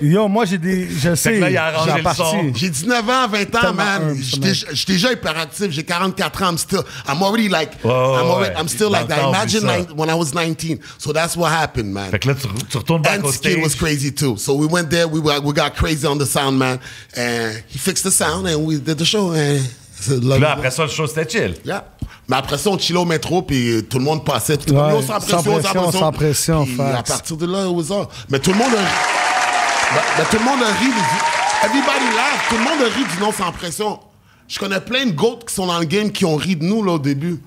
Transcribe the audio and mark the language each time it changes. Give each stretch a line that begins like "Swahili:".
French: Yo, moi, j'ai des. Je sais. Là, il a arrangé le son. J'ai 19 ans, 20 ans, man. J'ai déjà hyperactif, j'ai 44 ans.
English: I'm still like that. Imagine when I was 19. So that's what happened, man.
French: Fait que là, tu retournes
English: back
French: au stage.
English: And was crazy too. So we went there. We got crazy on the sound, man. And he fixed the sound and we did the show.
French: Là, après ça, le show, c'était chill.
English: Yeah.
French: Mais après ça, on chillait au métro puis tout le monde passait. Tout le monde sans pression. Et à partir de là,
English: it was all.
French: Mais tout le monde a ri.
English: Everybody laugh.
French: Tout le monde a ri du non sans pression. Je connais plein de goats qui sont dans le game qui ont ri de nous là, au début.